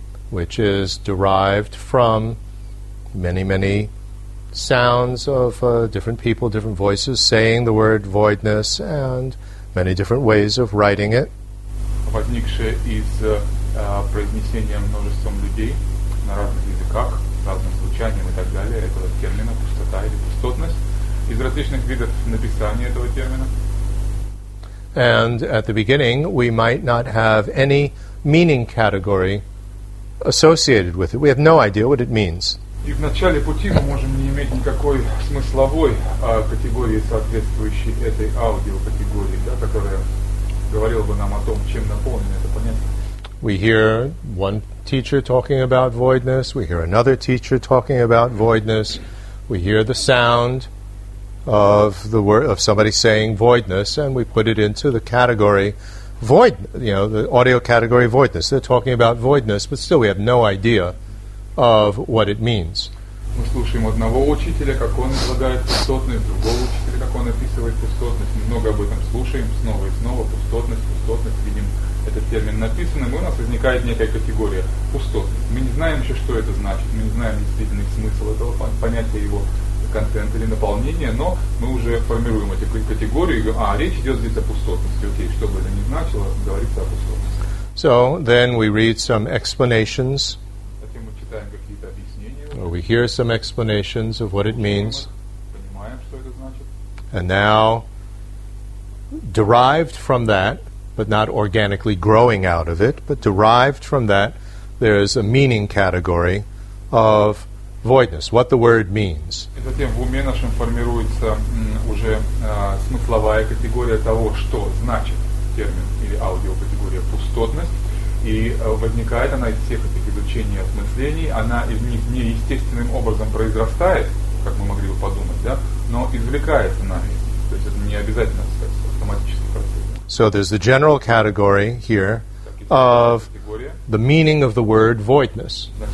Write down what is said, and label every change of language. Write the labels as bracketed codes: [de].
[en] which is derived from many, many sounds of different people, different voices saying the word voidness, and many different ways of writing it. [ru] Возникшее из произнесения множеством людей на разных языках, разным звучанием и так далее, этого термина пустота или пустотность, из различных видов написания этого термина. [en] And at the beginning, we might not have any meaning category associated with it. We have no idea what it means. [ru] И в начале пути мы можем не иметь никакой смысловой категории, соответствующей этой аудиокатегории, да, которая говорила бы нам о том, чем наполнено это понятие. [en] We hear one teacher talking about voidness. We hear another teacher talking about voidness. We hear the sound of the word of somebody saying voidness, and we put it into the category void, you know, the audio category voidness. They're talking about voidness, but still we have no idea of what it means. [ru] Мы слушаем одного учителя, как он излагает пустотность, другого учителя, как он описывает пустотность. Много об этом слушаем снова и снова. Пустотность, пустотность. Видим этот термин написанным, и у нас возникает некая категория пустотность. Мы не знаем еще, что это значит. Мы не знаем действительный смысл этого понятия, его контент или наполнение, но мы уже формируем эти категории. А речь идет здесь о пустотности. Окей, что бы это ни значило, говорится о пустотности. [en] So then we read some explanations. [ru] Затем мы читаем какие-то объяснения. [en] Or we hear some explanations of what it means. [ru] Понимаем, что это значит. [en] And now, derived from that, but not organically growing out of it, but derived from that, there is a meaning category of voidness, what the word means. [ru] И затем в уме нашем формируется уже смысловая категория того, что значит термин или аудиокатегория пустотность. И возникает она из всех этих изучений и осмыслений. Она из них неестественным образом произрастает, как мы могли бы подумать, да? Но извлекается нами. То есть это не обязательно, так сказать, автоматический процесс. [en] So there's the general category here of the meaning of the word voidness.